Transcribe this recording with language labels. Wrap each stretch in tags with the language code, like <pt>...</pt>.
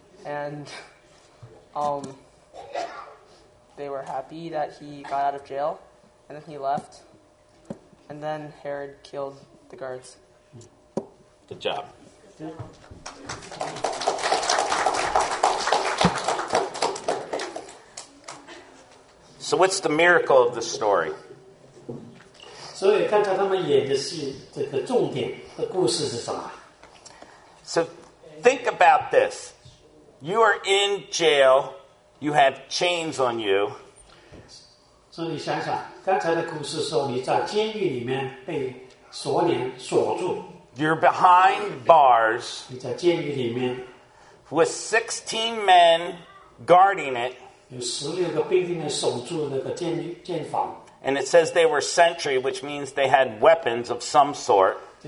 <en>And they were happy that he got out of jail. And then he left. And then Herod killed the guards. Good job. So what's the miracle of the story?</en> <zh>所以看看他们演的是这个重点的故事是什么？</zh> <en>So think about this. You are in jail. You have chains on you.</en> <zh>所以你想想，刚才的故事说你在监狱里面被锁链锁住。</zh> <en>You're behind bars.</en> <zh>你在监狱里面。</zh> <en>With 16 men guarding it.</en> <zh>有16个兵丁守住那个监房。</zh> <en>And it says they were sentry, which means they had weapons of some sort.</en>